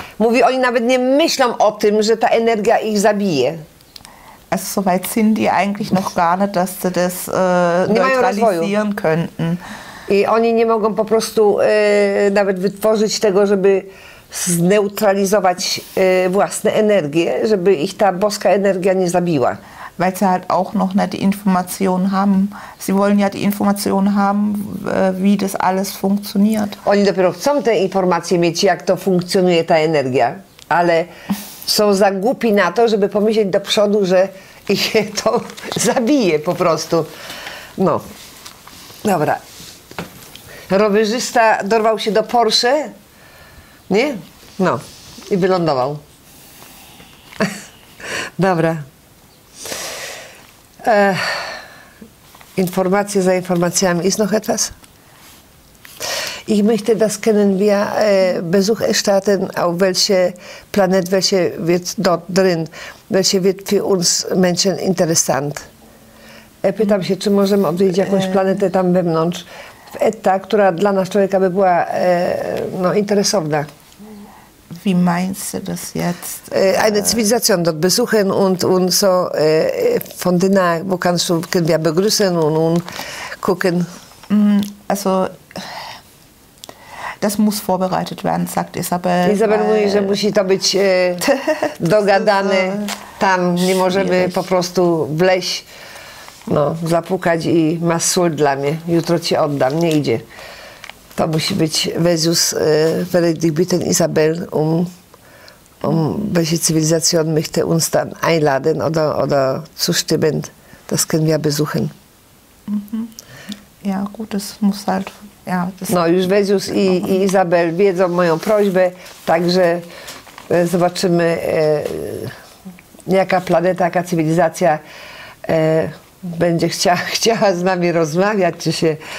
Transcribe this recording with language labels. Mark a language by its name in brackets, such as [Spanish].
[Polish] Mówi, oni nawet nie myślą o tym, że ta energia ich zabije. [German] Also so weit sind die eigentlich noch gar nicht, dass sie das neutralisieren könnten. [Polish] I oni nie mogą po prostu nawet wytworzyć tego, żeby zneutralizować własne energie, żeby ich ta boska energia nie zabiła. [German] Weil sie halt auch noch nicht die Informationen haben. Sie wollen ja die Informationen haben, wie das alles funktioniert. [Polish] Oni dopiero chcą te informacje mieć, jak to funkcjonuje ta energia, ale są za głupi na to, żeby pomyśleć do przodu, że ich to zabije po prostu. No, dobra. Rowerzysta dorwał się do Porsche, nie? No, i wylądował. Dobra. Informacje za informacjami. [German] Ist noch etwas? Ich möchte, dass können wir Besuch erstatten, auf welche Planet, welche wird dort drin, welche wird für uns Menschen interessant. [Polish] Pytam się, czy możemy odwiedzić jakąś planetę tam wewnątrz, w Eta, która dla nas człowieka by była no, interesowna. [German] Wie meinst du das jetzt? Eine Zivilisation dort besuchen und so von den wo kannst du, können wir begrüßen und gucken. Also, das muss vorbereitet werden, sagt Isabel. [Polish] Isabel mówi, że musi to być dogadane. Tam nie możemy po prostu wleźć, no, zapukać i masz sól dla mnie. Jutro ci oddam, nie idzie. To musi być [German] Vesus, Veredig bitten Isabel, welche Zivilisation möchte uns dann einladen oder zustimmen. Das können wir besuchen. Mhm. Ja, gut, das muss halt. Ja, das [Polish] no, już Vesus i Isabel wiedzą moją prośbę, także zobaczymy, jaka planeta, jaka cywilizacja będzie chciała z nami rozmawiać, czy się.